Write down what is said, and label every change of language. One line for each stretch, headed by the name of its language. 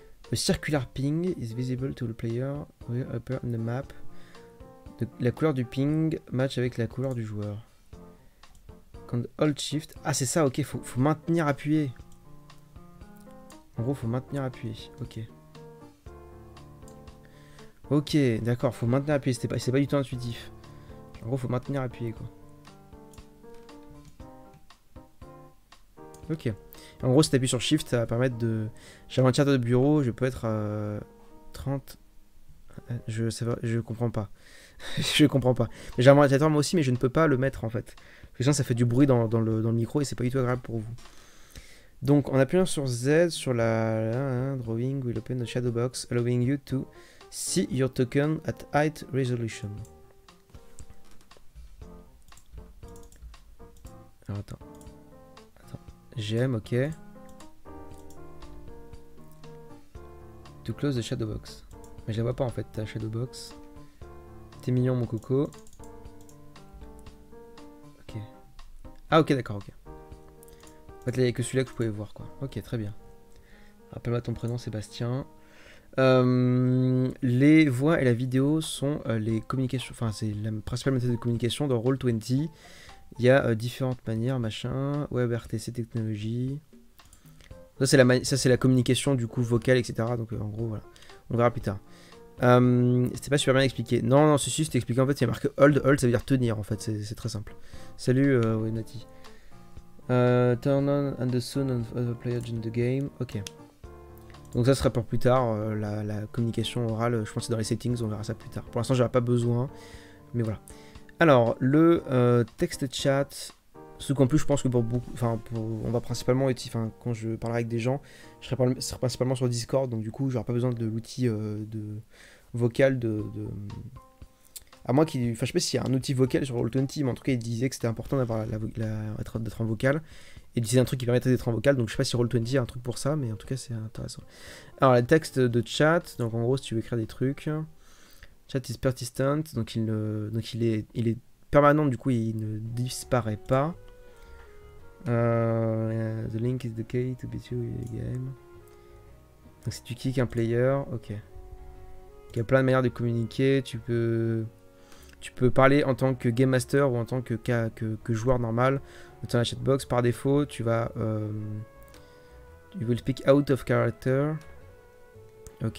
English: A circular ping is visible to the player way up on the map.
French: La couleur du ping match avec la couleur du joueur. Quand
English: hold shift.
French: Ah, c'est ça, ok, faut maintenir appuyé. En gros, faut maintenir appuyé. Ok. Ok, d'accord, faut maintenir appuyé. C'est pas du tout intuitif. En gros, faut maintenir appuyé, quoi. Ok. En gros, si t'appuies sur Shift, ça va permettre de... J'ai un tiers de bureau, je peux être 30... Je comprends pas. Je comprends pas. J'ai un ventilateur moi aussi, mais je ne peux pas le mettre, en fait. Parce que sinon, ça fait du bruit dans le micro et c'est pas du tout agréable pour vous. Donc, en appuyant sur Z, sur la...
English: Drawing will open the shadow box, allowing you to see your token at height resolution.
French: Alors, attends. Gem, ok.
English: To close the shadow box.
French: Mais je la vois pas en fait, ta shadow box. T'es mignon, mon coco. Ok. Ah, ok, d'accord, ok. En fait, il n'y a que celui-là que je pouvais voir, quoi. Ok, très bien. Rappelle-moi ton prénom, Sébastien. Les voix et la vidéo sont les communications, enfin c'est la principale méthode de communication dans Roll20. Il y a différentes manières, machin, WebRTC technologie. Ça c'est la communication du coup vocale, etc. Donc en gros voilà, on verra plus tard. C'était pas super bien expliqué. Non, si, c'était expliqué en fait. Il y a marqué hold, hold, ça veut dire tenir en fait. C'est très simple. Salut, Nati.
English: Turn on and the sound of other players in the game.
French: Ok. Donc ça sera pour plus tard, la communication orale. Je pense que c'est dans les settings, on verra ça plus tard. Pour l'instant, j'aurai pas besoin, mais voilà. Alors, le texte chat, ce qu'en plus, je pense que pour beaucoup, enfin, on va principalement utiliser, enfin, quand je parlerai avec des gens, je serai principalement sur Discord, donc du coup, j'aurai pas besoin de l'outil de vocal de à moins qu'il, enfin, je sais pas s'il y a un outil vocal sur Roll20, mais en tout cas, il disait que c'était important d'avoir d'être en vocal. Il disait un truc qui permettait d'être en vocal, donc je sais pas si Roll20 a un truc pour ça, mais en tout cas c'est intéressant. Alors les textes de chat, donc en gros si tu veux écrire des trucs.
English: Chat is persistent,
French: donc il est permanent, du coup il ne disparaît pas.
English: The link is the key to beat you in the game.
French: Donc si tu kicks un player, ok. Il y a plein de manières de communiquer, tu peux parler en tant que game master ou en tant que joueur normal. Dans la chatbox, par défaut, tu vas.
English: You will speak out of character.
French: Ok.